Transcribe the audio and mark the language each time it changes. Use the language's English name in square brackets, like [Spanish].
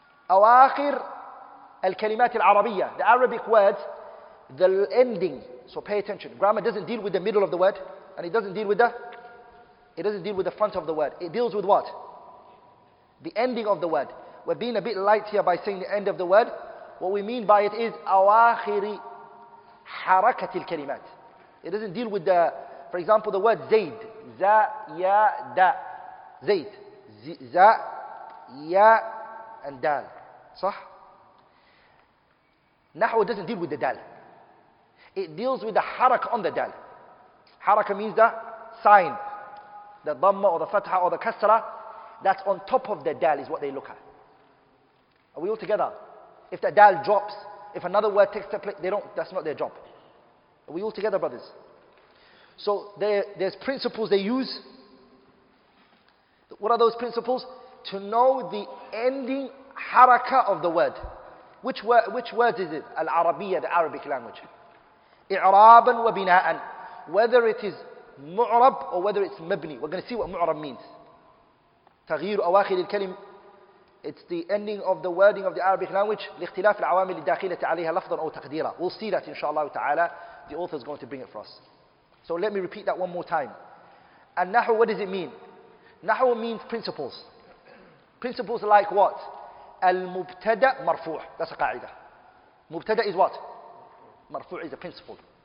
[Arabic] أَوَاخِر الْكَلِمَاتِ الْعَرَبِيَّةِ, [English] the Arabic word, the ending. So pay attention. Grammar doesn't deal with the middle of the word, and it doesn't deal with the... It doesn't deal with the front of the word. It deals with what? The ending of the word. We're being a bit light here by saying the end of the word. What we mean by it is [Arabic] أواخر حركة الكلمات. [English] It doesn't deal with the, for example, the word زيد. [Arabic] زايدا. زيد. زايا and دال. صح? [English] نحو doesn't deal with the دال. It deals with the حركة on the دال. حركة means the sign. The Dhamma or the Fatha or the Kasra, that's on top of the Dal is what they look at. Are we all together? If the Dal drops, if another word takes the place, they don't, that's not their job. Are we all together, brothers? So there's principles they use. What are those principles? To know the ending haraka of the word. Which word is it? Al-Arabiyya, the Arabic language. [Arabic] I'raban wa bina'an. [English] Whether it is mu'rab or whether it's mabni. We're going to see what mu'rab means. [Arabic] تغيير أواخر الكلم. [English] It's the ending of the wording of the Arabic language. [Arabic] لاختلاف العوامل الداخلة عليها لفظا أو تقديرا. [English] We'll see that inshallah ta'ala. The author is going to bring it for us. So let me repeat that one more time. And nahu, what does it mean? Nahu means principles. Principles like what? [Arabic] المبتدأ مرفوع. [English] That's a قاعدة. مبتدأ is what? مرفوع is a principle.